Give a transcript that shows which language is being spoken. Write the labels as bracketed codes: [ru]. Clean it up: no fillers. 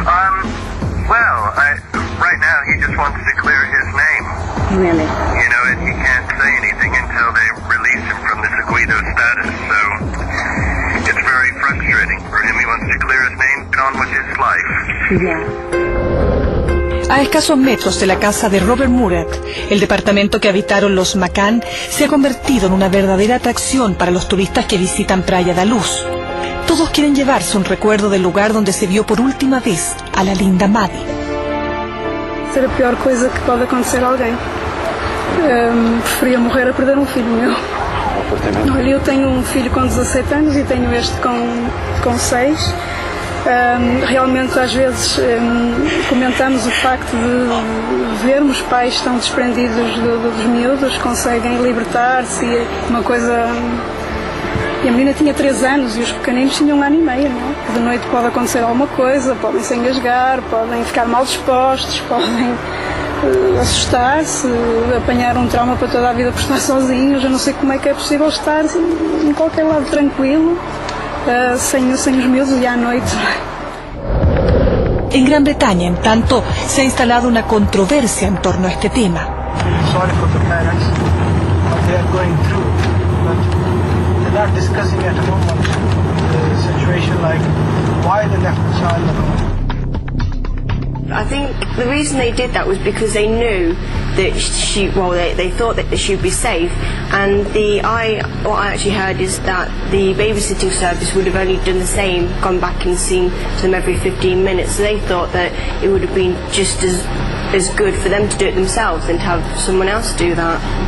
[en] Right now he just wants to clear his name. Really? You know, and he can't say anything until they release him from this Guido status, so it's very frustrating for him. He wants to clear his name, get on with his life. Yeah. [es] A escasos metros de la casa de Robert Murat, el departamento que habitaron los McCann se ha convertido en una verdadera atracción para los turistas que visitan Praia da Luz. Todos quieren llevarse un recuerdo del lugar donde se vio por última vez a la linda Maddie. [pt] Ser a pior coisa que pode acontecer a alguém. Preferia morrer a perder filho meu. Olha, eu tenho filho com 17 anos e tenho este com 6. Realmente, às vezes, comentamos o facto de vermos pais tão desprendidos dos miúdos, conseguem libertar-se, uma coisa... E a menina tinha 3 anos e os pequeninos tinham 1 ano e meio, não é? De noite pode acontecer alguma coisa, podem se engasgar, podem ficar mal dispostos, podem assustar-se, apanhar um trauma para toda a vida por estar sozinhos. Eu não sei como é que é possível estar em qualquer lado tranquilo. Sem os miúdos e à noite. [es] Em Grã-Bretanha, em tanto, se ha instalado uma controvérsia em torno a este tema. [en] Sorry for the parents, what they are going through, but they are discussing at the moment the situation, like why they left the child alone. I think the reason they did that was because they knew that she, well, they thought that she would be safe, and what I actually heard is that the babysitting service would have only done the same, gone back and seen to them every 15 minutes, so they thought that it would have been just as good for them to do it themselves than to have someone else do that.